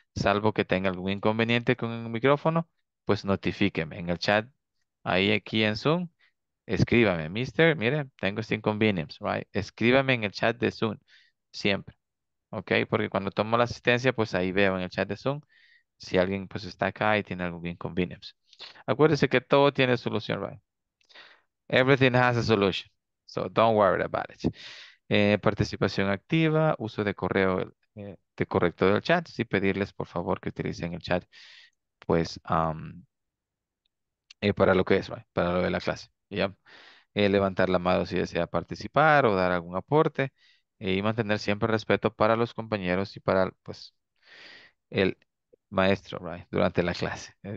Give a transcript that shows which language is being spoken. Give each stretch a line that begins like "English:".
Spanish: Salvo que tenga algún inconveniente con el micrófono, pues notifíqueme en el chat, ahí aquí en Zoom, escríbame, Mister, mire, tengo este inconveniente, right? Escríbame en el chat de Zoom, siempre, ¿ok? Porque cuando tomo la asistencia, pues ahí veo en el chat de Zoom si alguien pues está acá y tiene algún inconveniente. Acuérdese que todo tiene solución, right?
English: Everything has a solution, so don't worry about it.
Spanish: Participación activa, uso de correo. De correcto del chat, sí, pedirles por favor que utilicen el chat, pues, para lo que es, right, para lo de la clase, ¿ya? Levantar la mano si desea participar o dar algún aporte y mantener siempre respeto para los compañeros y para, pues, el maestro, right, durante la clase.